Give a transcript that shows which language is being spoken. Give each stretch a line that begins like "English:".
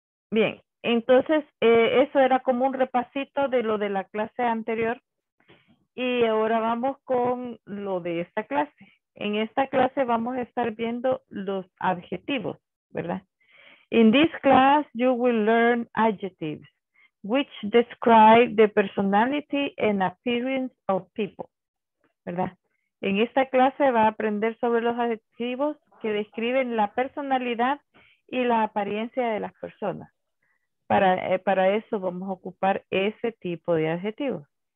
Spanish: Bien, entonces eso era como un repasito de lo de la clase anterior. Y ahora vamos con lo de esta clase. En esta clase vamos a estar viendo los adjetivos, ¿verdad?
English: In this class, you will learn adjectives, which describe the personality and appearance of people, ¿verdad?
Spanish: En esta clase va a aprender sobre los adjetivos que describen la personalidad y la apariencia de las personas. Para eso vamos a ocupar ese tipo de adjetivos.